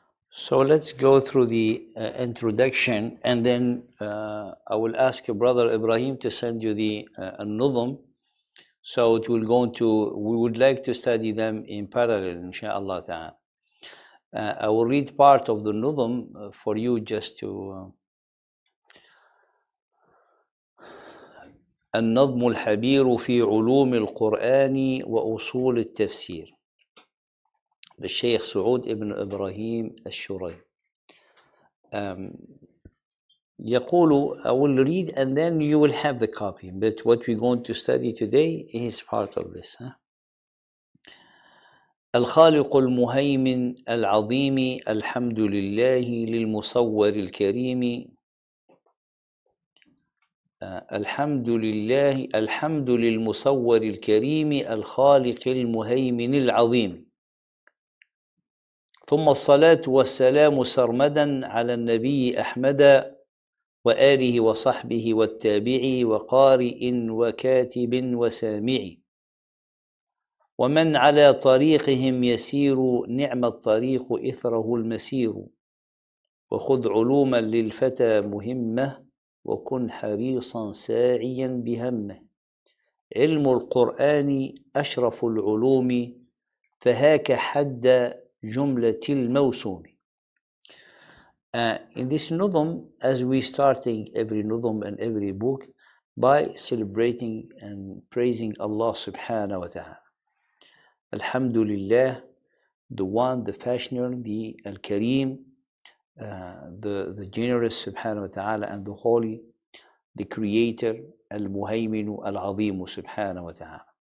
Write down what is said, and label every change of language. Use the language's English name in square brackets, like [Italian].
[English] so let's go through the introduction, and then I will ask Brother Ibrahim to send you the Nudhm. So it will go into, we would like to study them in parallel, inshallah ta'ala. I will read part of the Nudhm for you just to. [Arabic] النظم الحبير في علوم القرآن وأصول التفسير. [English] الشيخ سعود ابن إبراهيم الشوري [Arabic] يقول [English] I will read and then you will have the copy, but what we're going to study today is part of this. [Arabic] الخالق المهيمن العظيم الحمد لله للمصور الكريم الحمد لله الحمد للمصور الكريم الخالق المهيمن العظيم ثم الصلاة والسلام سرمدا على النبي أحمد وآله وصحبه والتابعي وقارئ وكاتب وسامعي ومن على طريقهم يسير نعم الطريق إثره المسير وخذ علوما للفتى مهمة وكن حريصا ساعيا بهمة علم القرآن أشرف العلوم فهاك حد Jumlatil Mawsumi. [English] In this Nudhm, as we starting every Nudhm and every book by celebrating and praising Allah subhanahu wa ta'ala. Alhamdulillah, the one, the fashioner, the Al-Kareem, the generous subhanahu wa ta'ala and the holy, the creator, Al-Muhayminu Al-Azimu subhanahu wa ta'ala.